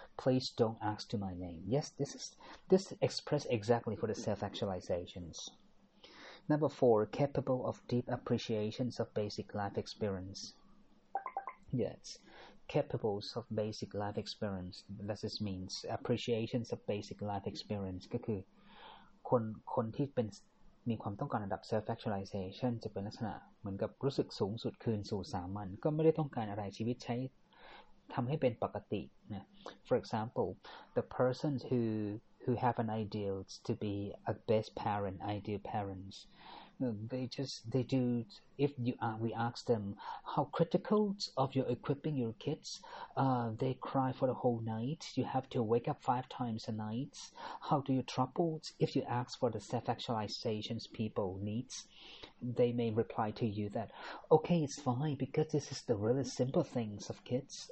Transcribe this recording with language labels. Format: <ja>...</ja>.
<en>Please don't ask to my name. Yes, this express exactly for the self-actualizations. Number four, capable of deep appreciations of basic life experience. Yes. Capable of basic life experience. That just means appreciations of basic life experience.</en> <th>ก็คือคนที่เป็นมีความต้องการระดับ self actualization จะเป็นลักษณะเหมือนกับรู้สึกสูงสุดคืนสู่สามัญก็ไม่ได้ต้องการอะไรชีวิตใช้ทำให้เป็นปกตินะ</th> <en>For example, the person who have an ideal to be a best parent, ideal parents. We ask them how critical of your equipping your kids, they cry for the whole night. You have to wake up 5 times a night. How do you trouble? If you ask for the self-actualizations people needs, they may reply to you that, okay, it's fine because this is the really simple things of kids.</en>